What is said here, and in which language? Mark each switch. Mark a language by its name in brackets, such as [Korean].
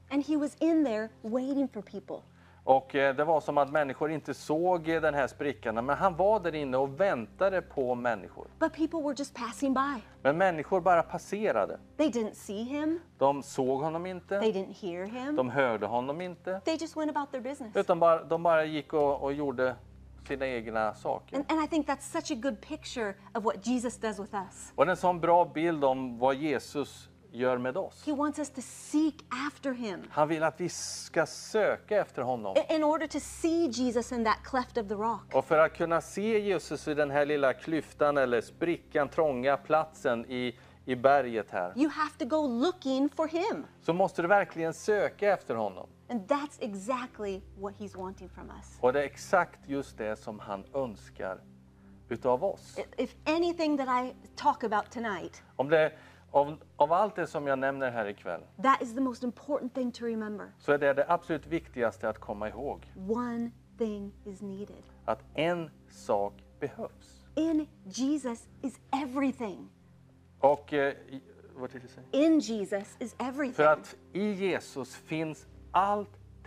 [English] And he was in there waiting for people. [Swedish] Och det var som att människor inte såg den här sprickan, men han var där inne och väntade på människor. [English] But people were just passing by. [Swedish] Men människor bara passerade. [English] They didn't see him. [Swedish] De såg honom inte. [English] They didn't hear him. [Swedish] De hörde honom inte. [English] They just went about their business. [Swedish] Utan bara, de bara gick och gjorde sina egna saker. [English] And I think that's such a good picture of what Jesus does with us. [Swedish] Och det är en sån bra bild om vad Jesus gör med oss. [English] He wants us to seek after him. [Swedish] Han vill att vi ska söka efter honom. [English] In order to see Jesus in that cleft of the rock. [Swedish] Och för att kunna se Jesus i den här lilla klyftan eller sprickan, trånga platsen i berget här. [English] You have to go looking for him. [Swedish] Så måste du verkligen söka efter honom. [English] And that's exactly what he's wanting from us. [Swedish] Och det är exakt just det som han önskar utav oss. [English] If anything that I talk about tonight. [Swedish] Av allt det som jag nämner här ikväll. [English] That is the most important thing to remember. [Swedish] Så är det absolut viktigaste att komma ihåg. [English] One thing is needed. [Swedish] Att en sak behövs. [English] In Jesus is everything. Och what did you say? In Jesus is everything. [Swedish] För att i Jesus finns allting.